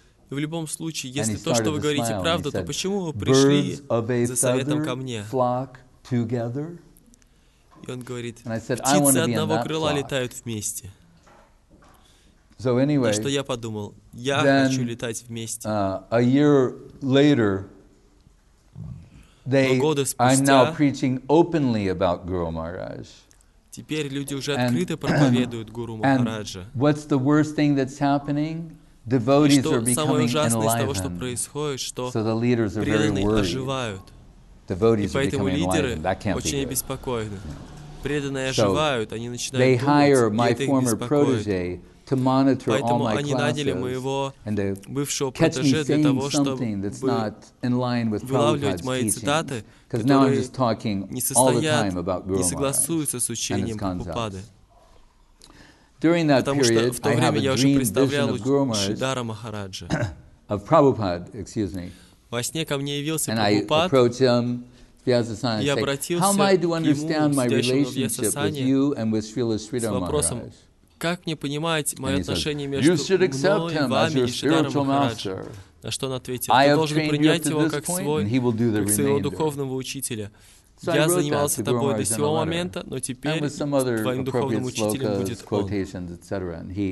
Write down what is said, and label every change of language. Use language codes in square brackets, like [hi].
[ru] В любом случае, если то, что вы говорите, правда, то почему вы пришли за советом ко мне? И он говорит, птицы одного крыла летают вместе. [en] So anyway, [ru] и что я подумал? Я хочу летать вместе. [en] A year later, I'm now preaching openly about Guru Maharaj. [ru] Теперь люди уже открыто проповедуют Гуру Махараджа. [en] What's the worst thing that's happening? Devotees are becoming enlightened. [ru] И что самое ужасное из того, что происходит, что преданные оживают. [en] Devotees are becoming enlightened. That can't be. [ru] Очень беспокойны. Преданные оживают, они начинают думать, и это их беспокоит. [en] They hire my former protege to monitor [ru] Поэтому [en] all my classes and to catch me saying something that's not in line with Prabhupada's teaching. Because now I'm just talking all the time about Guru Maharaj and his concepts. During that period, I have a dream vision of Guru Maharaj, of Prabhupada, excuse me. And I approach him, Vyasasana, and say, how am I to understand my relationship with you and with Srila Sridhar Maharaj? [ru] Как мне понимать мое отношение между мной и вами, Шридхар Махарадж? На что он ответил, ты должен принять его как своего духовного учителя. Я занимался тобой до сего момента, но теперь твоим духовным учителем будет он.